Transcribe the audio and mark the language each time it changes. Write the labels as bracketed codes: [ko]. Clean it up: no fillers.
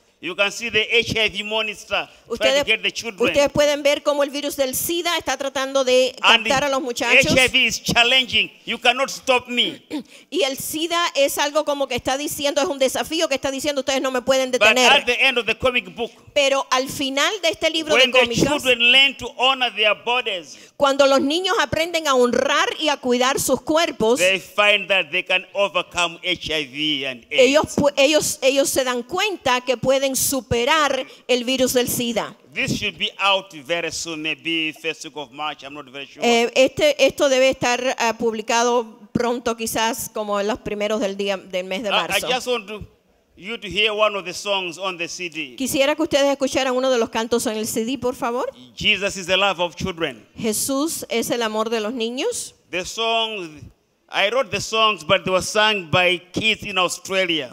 [en] You can see the HIV monster trying to get the children. [es] Ustedes pueden ver cómo el virus del SIDA está tratando de captar a los muchachos. [en] HIV is challenging. You cannot stop me. [es] Y el SIDA es algo como que está diciendo, es un desafío que está diciendo, ustedes no me pueden detener. [en] But at the end of the comic book, [es] pero al final de este libro [en] when [es] de cómicas, [en] the children learn to honor their bodies, [es] cuando los niños aprenden a honrar y a cuidar sus cuerpos, [en] they find that they can overcome HIV and AIDS. [es] Ellos se dan cuenta que pueden superar el virus del SIDA. [en] This should be out very soon, maybe first week of March, I'm not very sure. [es] Esto debe estar publicado pronto, quizás como en los primeros del mes de marzo. [en] I just want to you to hear one of the songs on the CD. [es] Quisiera que ustedes escucharan uno de los cantos en el CD, por favor. [en] Jesus is the love of children. [es] Jesús es el amor de los niños. [en] The song, I wrote the songs, but they were sung by kids in Australia.